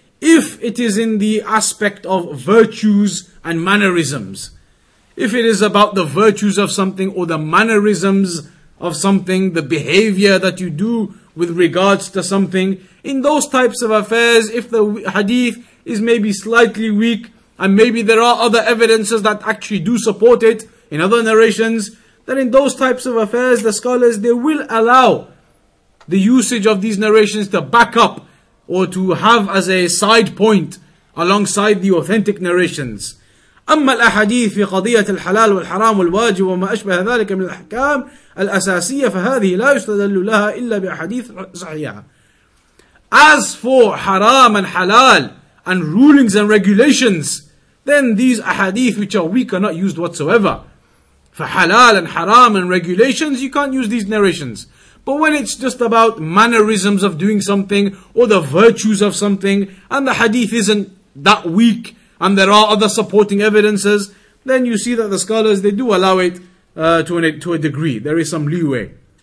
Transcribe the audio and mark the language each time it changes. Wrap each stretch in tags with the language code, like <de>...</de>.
<en>If it is in the aspect of virtues and mannerisms, if it is about the virtues of something or the mannerisms of something, the behavior that you do with regards to something, in those types of affairs, if the hadith is maybe slightly weak and maybe there are other evidences that actually do support it in other narrations, then in those types of affairs, the scholars, they will allow the usage of these narrations to back up or to have as a side point alongside the authentic narrations.</en> <ar>أما الأحاديث في قضية الحلال والحرام والواجب وما أشبه ذلك من الأحكام الأساسية فهذه لا يستدل لها إلا بأحاديث صحيحة.</ar> <en>As for haram and halal and rulings and regulations, then these ahadith which are weak are not used whatsoever. For halal and haram and regulations, you can't use these narrations. But when it's just about mannerisms of doing something or the virtues of something and the hadith isn't that weak and there are other supporting evidences, then you see that the scholars, they do allow it to a degree. There is some leeway.</en>